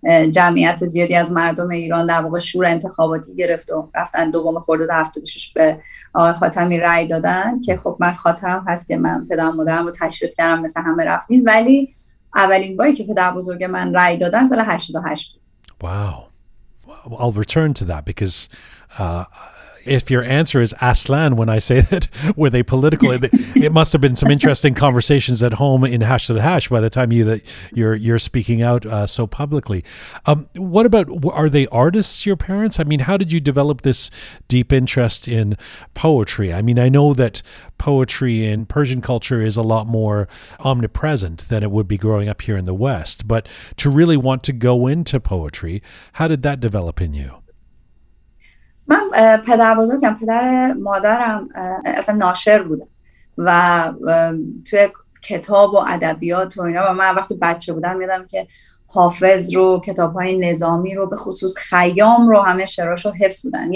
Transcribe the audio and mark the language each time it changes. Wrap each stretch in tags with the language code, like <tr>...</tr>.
<fa>جمعیت زیادی از مردم ایران در واقع شور انتخاباتی گرفت و رفتن دوم خرداد 76 به آقای خاتمی رأی دادن، که خب من خاطرم هست که من پدرم مادرم رو تشویق کردم مثل همه رفتیم، ولی اولین باری که پدر بزرگ من رأی دادن سال 88 بود.</fa> <en>Wow. Well, I'll return to that because if your answer is Aslan when I say that, were they political? It must have been some interesting conversations at home in Hash to the Hash by the time you're speaking out so publicly. What about, are they artists, your parents? I mean, how did you develop this deep interest in poetry? I mean, I know that poetry in Persian culture is a lot more omnipresent than it would be growing up here in the West. But to really want to go into poetry, how did that develop in you?</en> <fa>من پدر بزرگم، پدر مادرم اصلا ناشر بودم و توی کتاب و ادبیات و اینا، و من وقتی بچه بودم میدم که حافظ رو، کتاب‌های نظامی رو، به خصوص خیام رو، همه شعراش رو حفظ بودن.</fa>